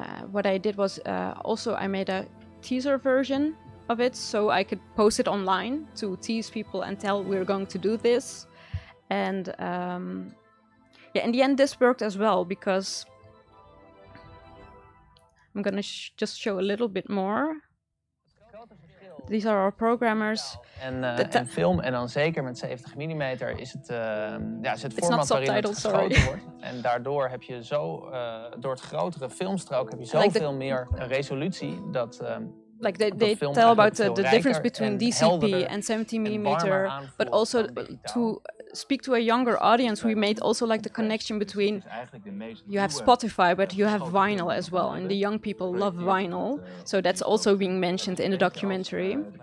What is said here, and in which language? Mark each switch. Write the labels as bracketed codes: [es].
[en] What I did was also I made a teaser version of it so I could post it online to tease people and tell we're going to do this. And yeah, in the end this worked as well because I'm gonna just show a little bit more. These are our programmers. [nl] En film, en dan zeker met 70 mm, is het, is het format waarin het geschoten wordt. En daardoor heb je zo, door het grotere filmstrook, heb je zoveel like meer resolutie. Dat, [en] like they tell about the difference between DCP and 70 mm, but also to speak to a younger audience, we made also like the connection between, you have Spotify, but you have vinyl as well, and the young people love vinyl, so that's also being mentioned in the documentary.